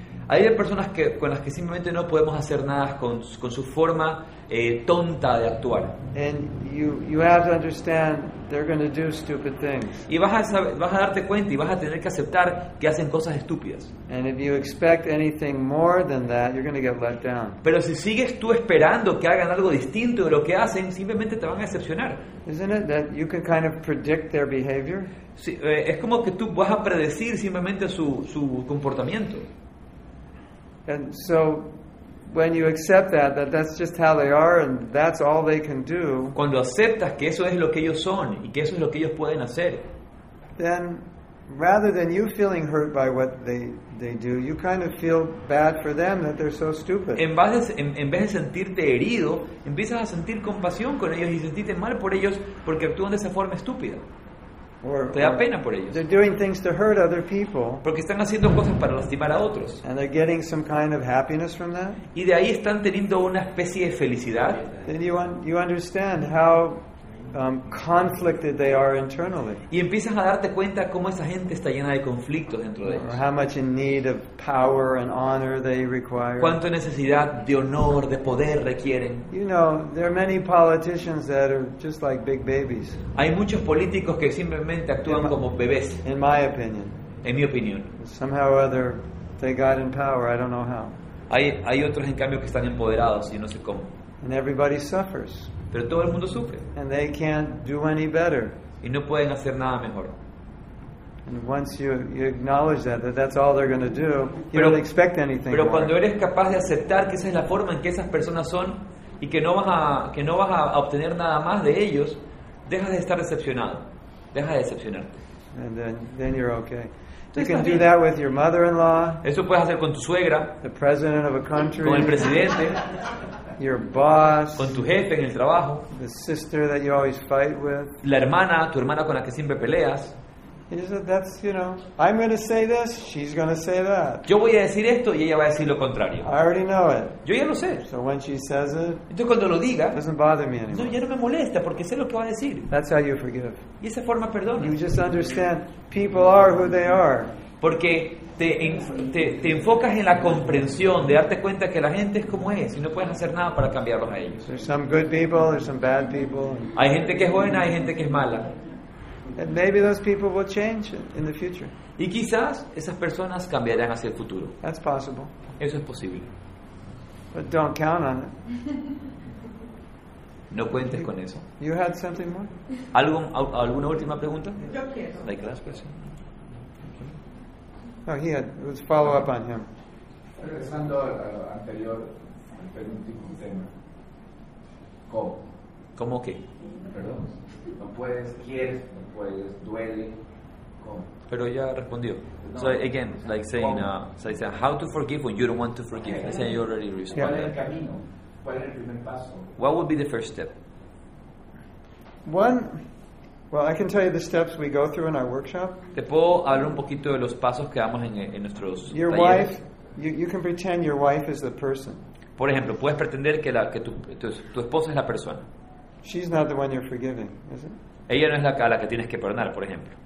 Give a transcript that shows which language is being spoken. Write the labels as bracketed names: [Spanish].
[Spanish] hay personas que, con las que simplemente no podemos hacer nada con su forma tonta de actuar. [English] And you have to understand they're going to do stupid things. [Spanish] Y vas a darte cuenta y vas a tener que aceptar que hacen cosas estúpidas. [English] And if you expect anything more than that, you're going to get let down. [Spanish] Pero si sigues tú esperando que hagan algo distinto de lo que hacen, simplemente te van a decepcionar. [English] Isn't it that you can kind of predict their behavior? [Spanish] Sí, es como que tú vas a predecir simplemente su comportamiento. [English] And so when you accept that's just how they are and that's all they can do. [Spanish] Cuando aceptas que eso es lo que ellos son y que eso es lo que ellos pueden hacer. [English] Then rather than you feeling hurt by what they do, you kind of feel bad for them that they're so stupid. [Spanish] En vez de sentirte herido, empiezas a sentir compasión con ellos y sentirte mal por ellos porque actúan de esa forma estúpida. Te da pena por ellos. [English] They're doing things to hurt other people. [Spanish] Porque están haciendo cosas para lastimar a otros. [English] And they're getting some kind of happiness from that. [Spanish] Y de ahí están teniendo una especie de felicidad. [English] Then you understand how conflicted they are internally. [Spanish] Y empiezas a darte cuenta cómo esa gente está llena de conflictos dentro de ellos. [English] How much in need of power and honor they require. [Spanish] Cuánta necesidad de honor, de poder requieren. [English] You know, there are many politicians that are just like big babies. [Spanish] Hay muchos políticos que simplemente actúan como bebés. [English] In my opinion. [Spanish] En mi opinión. [English] Somehow or other, they got in power. I don't know how. [Spanish] Hay otros en cambio que están empoderados y no sé cómo. [English] And everybody suffers. [Spanish] Pero todo el mundo sufre. [English] And they can't do any better. [Spanish] Y no pueden hacer nada mejor. [English] And once you acknowledge that that's all they're going to do, you don't expect anything. [Spanish] Pero cuando eres capaz de aceptar que esa es la forma en que esas personas son y que no vas a obtener nada más de ellos, dejas de estar decepcionado. Dejas de decepcionarte. [English] And then you're okay. You can do that with your mother-in-law. [Spanish] Eso puedes hacer con tu suegra. [English] The president of a country. [Spanish] Con el presidente. [English] Your boss, [Spanish] con tu jefe en el trabajo, [English] the sister that you always fight with, [Spanish] la hermana, tu hermana con la que siempre peleas. [English] He said, "That's, you know, I'm going to say this, she's going to say that." [Spanish] Yo voy a decir esto y ella va a decir lo contrario. [English] I already know it. [Spanish] Yo ya lo sé. [English] So when she says it, [Spanish] entonces cuando lo diga, [English] it doesn't bother me anymore. [Spanish] No, ya no me molesta porque sé lo que va a decir. [English] That's how you forgive. [Spanish] Y esa forma perdona. [English] You just understand people are who they are. [Spanish] Porque te enfocas en la comprensión de darte cuenta que la gente es como es y no puedes hacer nada para cambiarlos a ellos. [English] There's some good people, there's some bad people. [Spanish] Hay gente que es buena, hay gente que es mala. [English] And maybe those people will change in the future. [Spanish] Y quizás esas personas cambiarán hacia el futuro. [English] That's possible. [Spanish] Eso es posible. [English] But don't count on it. [Spanish] No cuentes con eso. [English] You had something more? [Spanish] ¿Alguna última pregunta? Yo quiero. [English] Like last question. No, he had. It was follow up on him. [Spanish] Regresando al anterior, al penúltimo tema. ¿Cómo? ¿Cómo qué? Perdón. No puedes, quieres, no puedes, duele. ¿Cómo? Pero ya respondió. [English] No, so again, like saying, how to forgive when you don't want to forgive. Okay. I said you already responded. [Spanish] ¿Cuál es el camino? ¿Cuál es el primer paso? [English] What would be the first step? One. Well, I can tell you the steps we go through in our workshop. [Spanish] Te puedo hablar un poquito de los pasos que damos en nuestros talleres. [English] Your wife, you can pretend your wife is the person. [Spanish] Por ejemplo, puedes pretender que tu esposa es la persona. [English] She's not the one you're forgiving, is it? [Spanish] Ella no es la a la que tienes que perdonar, por ejemplo.